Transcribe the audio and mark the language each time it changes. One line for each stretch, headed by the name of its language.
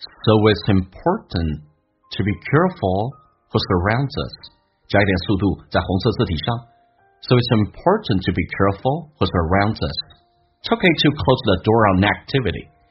English: So it's important to be careful who surrounds us.
Chinese: 加一点速度在红色字体上。
English: So it's important to be careful who surrounds us. It's okay to close the door on activity.